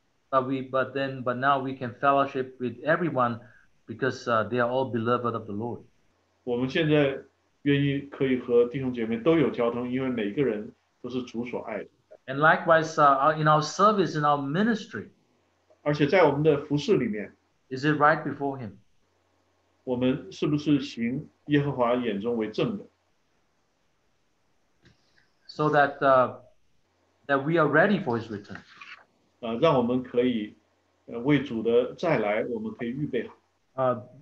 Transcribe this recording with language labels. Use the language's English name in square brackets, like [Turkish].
[English] But now we can fellowship with everyone because they are all beloved of the Lord. [Chinese] 我们现在愿意可以和弟兄姐妹都有交通，因为每个人都是主所爱的。 [English] And likewise, in our service, in our ministry, [Chinese] 而且在我们的服事里面, [English] is it right before him? [Chinese] 我们是不是行耶和华眼中为正的? [English] So that that we are ready for his return. [Chinese] 让我们可以为主的再来，我们可以预备好。